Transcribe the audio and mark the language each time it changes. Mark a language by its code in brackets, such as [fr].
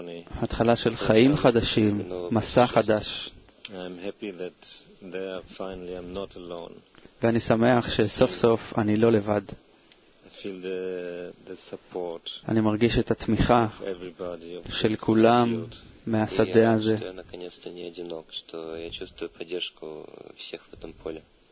[he] התחלה של חיים חדשים, מסע חדש. [en] I'm happy that there finally I'm not alone. [he] ואני שמח שסוף סוף אני לא לבד. [en] I feel the support. [he] אני מרגיש את התמיכה של כולם מהשדה הזה. [ru] Наконец-то не одинок, что я чувствую поддержку всех в этом поле.